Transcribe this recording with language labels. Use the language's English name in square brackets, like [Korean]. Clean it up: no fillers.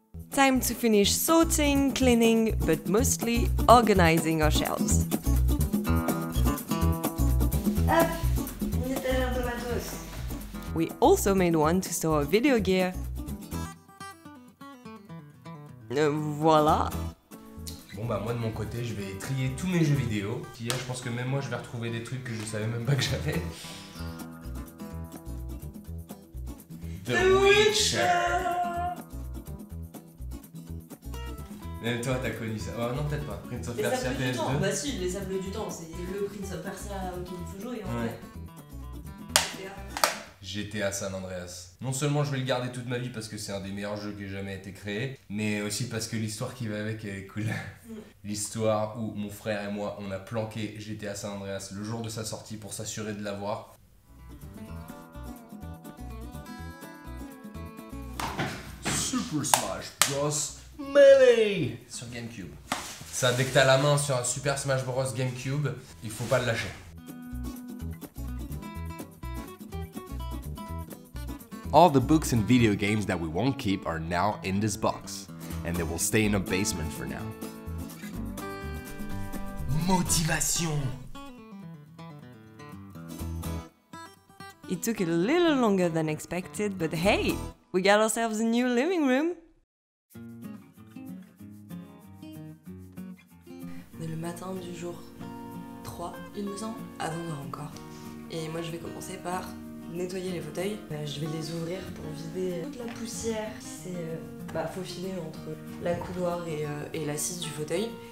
[English] Time to finish sorting, cleaning, but mostly organizing our shelves. [French] Hop, une étagère de matos. [English] We also made one to store our video gear. [French] Voilà. Bon bah moi de mon côté, je vais trier tous mes jeux vidéo. Puis là, je pense que même moi, je vais retrouver des trucs que je savais même pas que j'avais. The Witcher. Et toi, t'as connu ça? Oh non, peut-être pas. Prince of Persia PS2. Bah si, les sables du temps, c'est le Prince of Persia auquel il faut jouer en fait. GTA San Andreas. Non seulement je vais le garder toute ma vie parce que c'est un des meilleurs jeux qui ait jamais été créé, mais aussi parce que l'histoire qui va avec est cool. L'histoire où mon frère et moi, on a planqué GTA San Andreas le jour de sa sortie pour s'assurer de l'avoir. Super Smash Bros. Melee sur GameCube. Ça, dès que t'as la main sur un Super Smash Bros GameCube, il faut pas le lâcher. [English] All the books and video games that we won't keep are now in this box, and they will stay in a basement for now. Motivation. It took a little longer than expected, but hey, we got ourselves a new living room. [French] Le matin du jour 3, il me semble, avant d'heure encore. Et moi je vais commencer par nettoyer les fauteuils. Je vais les ouvrir pour vider toute la poussière qui s'est faufilée entre la couloir et l'assise du fauteuil.